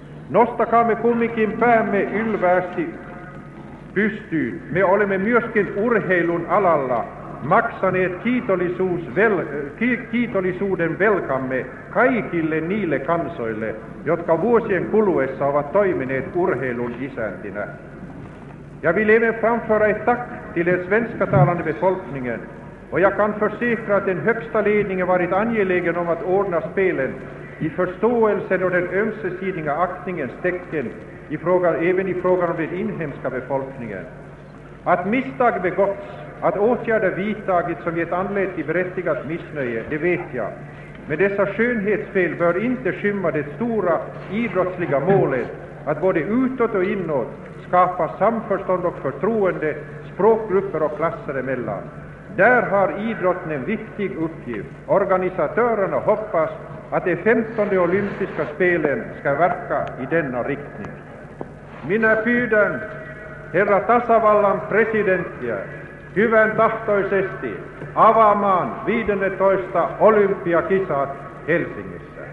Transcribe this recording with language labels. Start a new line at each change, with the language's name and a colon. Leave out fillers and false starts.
Finnish: Nostakaamme kumminkin päämme ylväästi pystyyn. Me olemme myöskin urheilun alalla maksan et kiitollisuus vel, kiitollisuuden velkamme kaikille niille kansoille, jotka vuosien kuluessa ovat toimineet urheilun isäntinä.
Swedish: Ja vi leve framföra ett tack till den svenskatalande befolkningen, och jag kan försäkra att den högsta ledningen varit angelägen om att ordna spelen i förståelsen och den ömsesidiga aktningens tecken i frågan, även i frågan om den inhemska befolkningen. Att misstag begåtts, att åtgärder vidtagits som gett anledning till berättigat missnöje, det vet jag. Men dessa skönhetsfel bör inte skymma det stora idrottsliga målet att både utåt och inåt skapa samförstånd och förtroende språkgrupper och klasser emellan. Där har idrotten en viktig uppgift. Organisatörerna hoppas att de 15:e olympiska spelen ska verka i denna riktning.
Finnish: Minä pyydän herra tasavallan presidenttiä hyvän tahtoisesti avaamaan 15 olympiakisat Helsingissä.